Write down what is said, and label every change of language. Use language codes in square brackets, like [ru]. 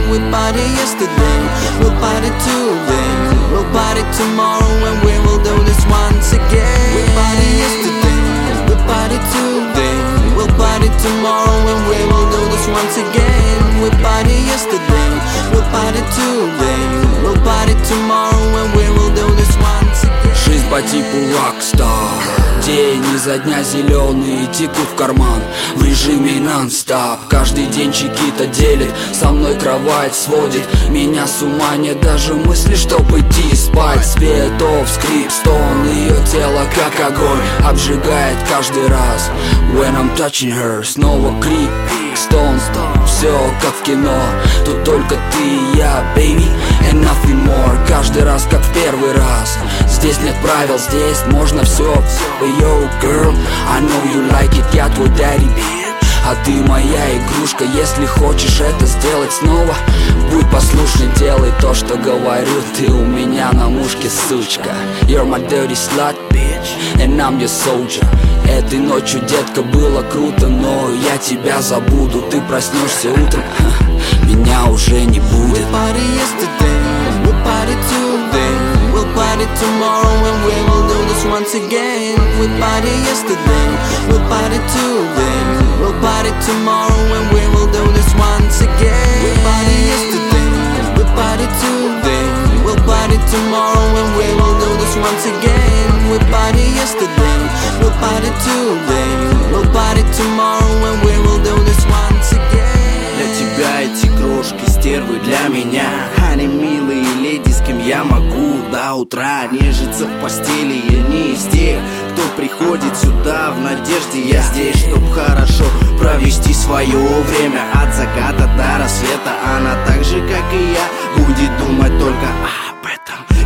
[en] We party yesterday, we party today, we'll party tomorrow and we will do this once again. We party yesterday, we party today, we'll party tomorrow and we will do this once again. We party yesterday, we party today, we'll party tomorrow and we will do this once again. [ru] Жизнь по типу rockstar. День изо дня зеленые текут в карман в режиме нон-стап. Каждый день чеки-то делит, со мной кровать сводит. Меня с ума нет даже мысли, чтобы идти спать. Светов, скрип, стон, ее тело как огонь обжигает каждый раз. [en] When I'm touching her, [ru] снова крик, стон, все как в кино. Тут только ты и я, baby, [en] and nothing more. [ru] Каждый раз как в первый раз. Здесь нет правил, здесь можно все. [en] Yo, girl, I know you like it, [ru] я твой [en] daddy, bitch. [ru] А ты моя игрушка, если хочешь это сделать снова, будь послушной, делай то, что говорю. Ты у меня на мушке, сучка. [en] You're my dirty slut, bitch, and I'm your soldier. [ru] Этой ночью, детка, было круто, но я тебя забуду. Ты проснешься утром, ха, меня уже не будет. [en] We party yesterday, we party today, we'll party tomorrow and we will do this once again. We party yesterday, we party today, we'll party tomorrow and we will do this once again. We party yesterday, we party today, we'll party tomorrow and we will do this once again. We party yesterday, we party today, we'll party tomorrow and we will do this once again. [ru] Для тебя эти крошки стервы, для меня они милые леди, с кем я могу до утра нежиться в постели. Я не из тех, кто приходит сюда в надежде. Я здесь, чтоб хорошо провести свое время. От заката до рассвета она так же, как и я, будет думать только об этом.